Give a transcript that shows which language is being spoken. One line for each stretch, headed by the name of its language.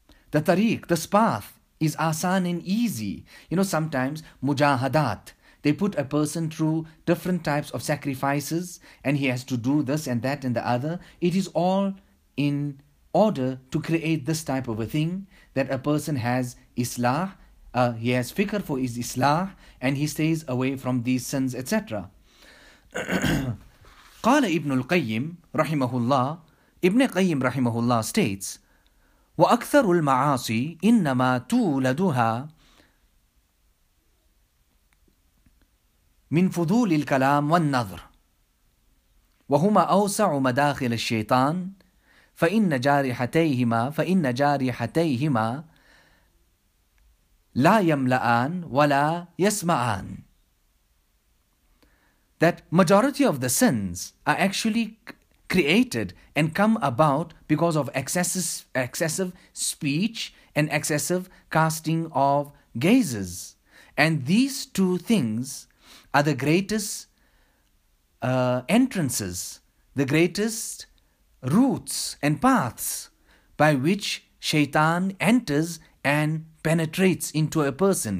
English: The tariq, this path, is asan and easy. You know, sometimes, mujahadat, they put a person through different types of sacrifices, and he has to do this and that and the other. It is all in order to create this type of a thing, that a person has islah, he has fikr for his islah, and he stays away from these sins, etc.
Arabic: Qala ibn al-Qayyim, rahimahullah, Ibn Qayyim, rahimahullah, states, وأكثر المعاصي إنما تولدها من فضول الكلام والنظر وهما أوسع مداخل الشيطان فإن جارحتيهما لا يملأان ولا يسمعان.
English: That majority of the sins are actually created and come about because of excessive speech and excessive casting of gazes. And these two things are the greatest entrances, the greatest routes and paths by which shaitan enters and penetrates into a person.